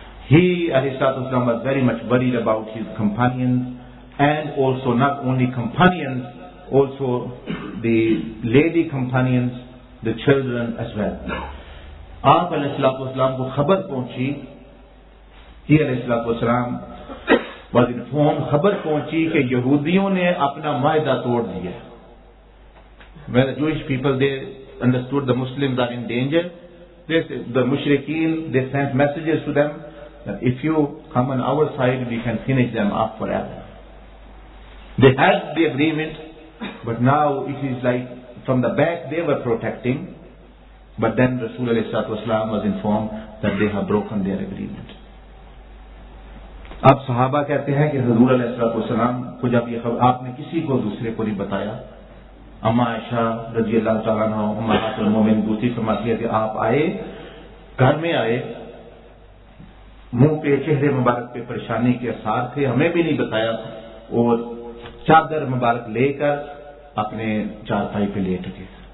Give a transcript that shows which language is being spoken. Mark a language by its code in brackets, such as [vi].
[en] He علیہ الصلوۃ والسلام was very much worried about his companions and also not only companions, also the lady companions, the children as well. [ur] آپ علیہ الصلوۃ والسلام کو خبر پہنچی, ہی علیہ الصلوۃ والسلام [en] was informed, [ur] خبر پہنچی کہ یہودیوں نے اپنا معاہدہ توڑ دیا ہے. [en] When the Jewish people, they understood the Muslims are in danger, they say, the mushrikeen, they sent messages to them that if you come on our side, we can finish them off forever. They had the agreement, but now it is like from the back they were protecting, but then Rasulullah was informed that they have broken their agreement. [ur] اب صحابہ کہتے ہیں کہ حضور علیہ الصلوۃ والسلام کو جب یہ خبر آپ نے کسی کو دوسرے کو نہیں بتایا. اما عائشہ رضی اللہ تعالیٰ عنہ امہات المومنین دوسری فرماتی ہے کہ آپ آئے گھر میں آئے منہ پہ چہرے مبارک پہ پریشانی کے اثار تھے ہمیں بھی نہیں بتایا اور چادر مبارک لے کر اپنے چارپائی پہ لیٹ گئے.